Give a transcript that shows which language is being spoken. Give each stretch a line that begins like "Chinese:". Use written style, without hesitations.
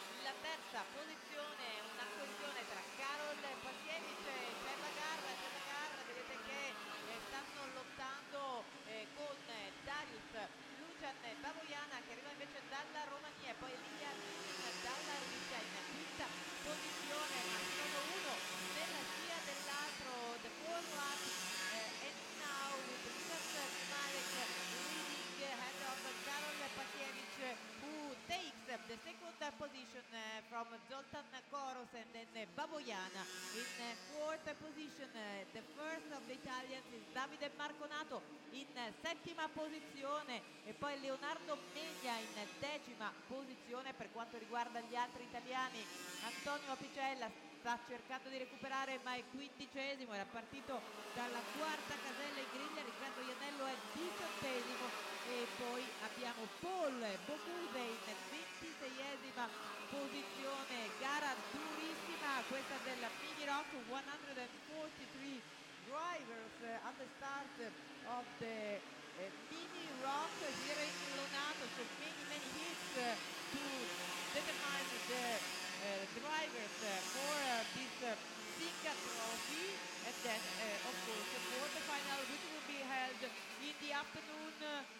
Italian: La terza posizione è una questione tra Karol Pashevich e Cervagar. Vedete che stanno lottando con Darius Lucian Babuana che arriva invece dalla Romania e poi Lidia Zinin dalla Russia in quinta posizione, ma sono uno nella scia dell'altro.
English: The forward and now with Lucas Malek leading ahead of Karol Pashevich, who takes the second position from Zoltan Koros, and then Babuana in fourth position. The first of the Italians is
Italian: Davide Marconato in settima posizione e poi Leonardo Meglia in decima posizione. Per quanto riguarda gli altri italiani, Antonio Apicella sta cercando di recuperare ma è quindicesimo, era partito dalla quarta casella in griglia, Riccardo Iannello è diciottesimo e poi abbiamo Paul Bocuse in 26esima posizione. Gara durissima questa del
English: Mini Rock, 143 drivers at the start of the Mini Rock, here in Lonato, so many many hits to determine the drivers for this Singha Trophy, and then of course for the final, which will be held in the afternoon.